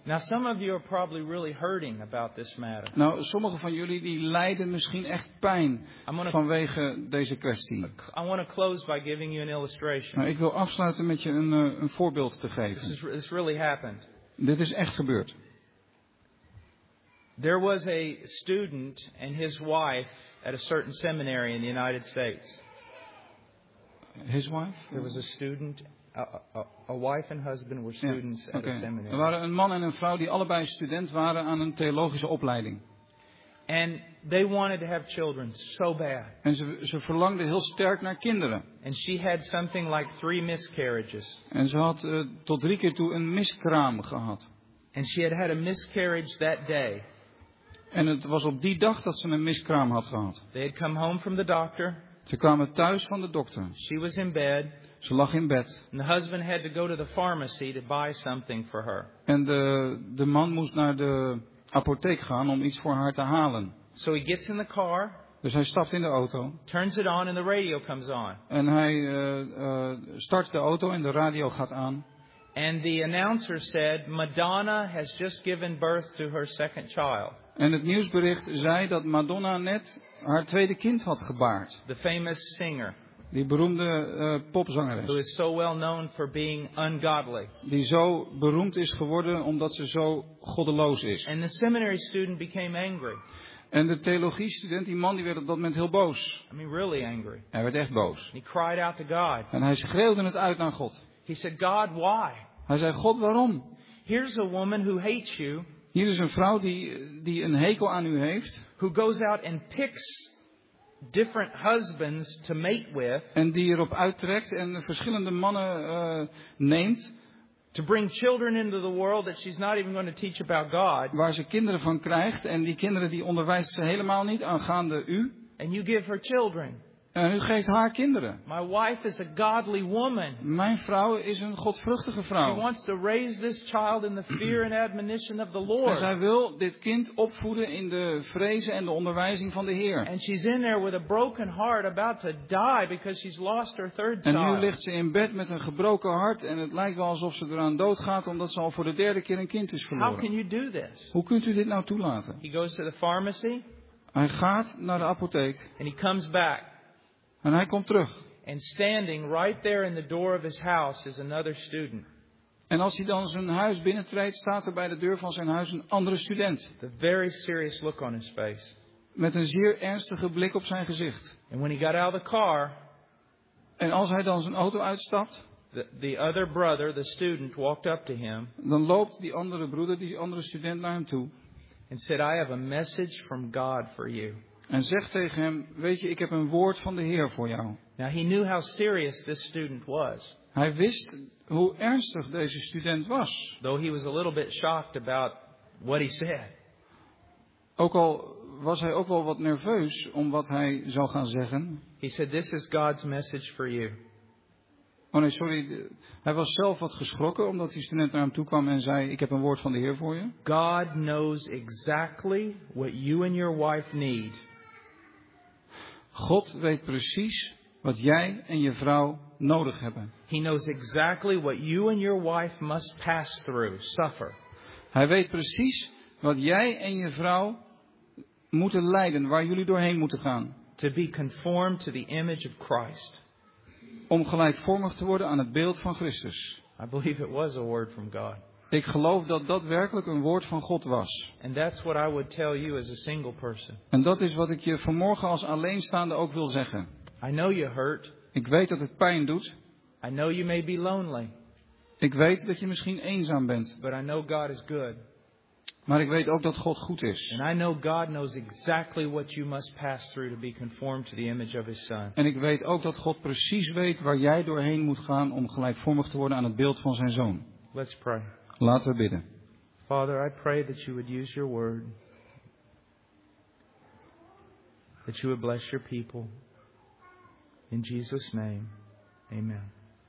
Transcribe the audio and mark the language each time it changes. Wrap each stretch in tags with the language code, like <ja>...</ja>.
<en>Now some of you are probably really hurting about this matter.</en> <nl>Nou, sommige van jullie die lijden misschien echt pijn vanwege deze kwestie.</nl> <en>I want to close by giving you an illustration.</en> <nl>Nou, ik wil afsluiten met je een voorbeeld te geven.</nl> <en>This really happened.</en> <nl>Dit is echt gebeurd.</nl> <en>There was a student and his wife at a certain seminary in the United States. His wife? There was a student, a wife and husband were students, yeah, okay, at a seminary.</en> <nl>Er waren een man en een vrouw die allebei student waren aan een theologische opleiding.</nl> <en>And they wanted to have children so bad.</en> <nl>En ze verlangden heel sterk naar kinderen.</nl> <en>And she had something like 3 miscarriages.</en> <nl>En ze had tot 3 keer toe een miskraam gehad.</nl> <en>And she had a miscarriage that day.</en> <nl>En het was op die dag dat ze een miskraam had gehad.</nl> <en>They had come home from the doctor.</en> <nl>Ze kwamen thuis van de dokter.</nl> <en>She was in bed.</en> <nl>Ze lag in bed.</nl> <en>And the husband had to go to the pharmacy to buy something for her.</en> <nl>En de man moest naar de apotheek gaan om iets voor haar te halen.</nl> <en>So he gets in the car.</en> <nl>Dus hij stapt in de auto.</nl> <en>Turns it on and the radio comes on.</en> <nl>En hij start de auto en de radio gaat aan.</nl> <en>And the announcer said Madonna has just given birth to her second child.</en> <nl>En het nieuwsbericht zei dat Madonna net haar tweede kind had gebaard.</nl> <en>The famous singer.</en> <nl>Die beroemde popzangeres.</nl> <en>Who is so well known for being ungodly.</en> <nl>Die zo beroemd is geworden omdat ze zo goddeloos is.</nl> <en>And the seminary student became angry.</en> <nl>En de theologiestudent, die man, die werd op dat moment heel boos.</nl> <en>I mean, really angry.</en> <nl>Hij werd echt boos.</nl> <en>He cried out to God.</en> <nl>En hij schreeuwde het uit naar God.</nl> <en>He said, God, why?</en> <nl>Hij zei, God, waarom?</nl> <en>Here's a woman who hates you.</en> <nl>Hier is een vrouw die een hekel aan u heeft.</nl> <en>Who goes out and picks different husbands to mate with.</en> <nl>En die erop uittrekt en verschillende mannen neemt.</nl> <en>To bring children into the world that she's not even going to teach about God.</en> <nl>Waar ze kinderen van krijgt en die kinderen die onderwijst ze helemaal niet aangaande u.</nl> <en>And you give her children.</en> <nl>En u geeft haar kinderen.</nl> <en>My wife is a godly woman.</en> <nl>Mijn vrouw is een godvruchtige vrouw.</nl> <en>She wants to raise this child in the fear and admonition of the Lord.</en> <nl>En zij wil dit kind opvoeden in de vrezen en de onderwijzing van de Heer.</nl> <en>And she's in there with a broken heart about to die because she's lost her third child.</en> <nl>En nu ligt ze in bed met een gebroken hart en het lijkt wel alsof ze eraan doodgaat omdat ze al voor de derde keer een kind is verloren.</nl> <en>How can you do this?</en> <nl>Hoe kunt u dit nou toelaten?</nl> <en>He goes to the pharmacy.</en> <nl>Hij gaat naar de apotheek.</nl> <en>And he comes back.</en> <nl>En hij komt terug.</nl> <en>And standing right there in the door of his house is another student.</en> <nl>En als hij dan zijn huis binnentreedt, staat er bij de deur van zijn huis een andere student.</nl> <en>The very serious look on his face.</en> <nl>Met een zeer ernstige blik op zijn gezicht.</nl> <en>And when he got out of the car,</en> <nl>en als hij dan zijn auto uitstapt,</nl> <en>the other brother, the student, walked up to him.</en> <nl>Dan loopt die andere broeder, die andere student, naar hem toe.</nl> <en>And said, I have a message from God for you.</en> <nl>En zegt tegen hem, weet je, ik heb een woord van de Heer voor jou.</nl> <en>Now he knew how serious this student was.</en> <nl>Hij wist hoe ernstig deze student was.</nl> <en>Though he was a little bit shocked about what he said.</en> <nl>Ook al was hij ook wel wat nerveus om wat hij zou gaan zeggen.</nl> <en>He said, this is God's message for you.</en> <nl>Oh nee, sorry. Hij was zelf wat geschrokken omdat die student naar hem toe kwam en zei, ik heb een woord van de Heer voor je.</nl> <en>God knows exactly what you and your wife need.</en> <nl>God weet precies wat jij en je vrouw nodig hebben.</nl> <en>He knows exactly what you and your wife must pass through, suffer.</en> <nl>Hij weet precies wat jij en je vrouw moeten lijden, waar jullie doorheen moeten gaan.</nl> <en>To be conformed to the image of Christ.</en> <nl>Om gelijkvormig te worden aan het beeld van Christus.</nl> <en>I believe it was a word from God.</en> <nl>Ik geloof dat dat werkelijk een woord van God was.</nl> <en>And that's what I would tell you as a single person.</en> <nl>En dat is wat ik je vanmorgen als alleenstaande ook wil zeggen.</nl> <en>I know you hurt.</en> <nl>Ik weet dat het pijn doet.</nl> <en>I know you may be lonely.</en> <nl>Ik weet dat je misschien eenzaam bent.</nl> <en>But I know God is good.</en> <nl>Maar ik weet ook dat God goed is.</nl> <en>And I know God knows exactly what you must pass through to be conformed to the image of his son.</en> <nl>En ik weet ook dat God precies weet waar jij doorheen moet gaan om gelijkvormig te worden aan het beeld van zijn zoon.</nl> <en>Let's pray.</en> <nl>Laten we bidden.</nl> <en>Father, I pray that you would use your word. That you would bless your people. In Jesus' name. Amen.</en>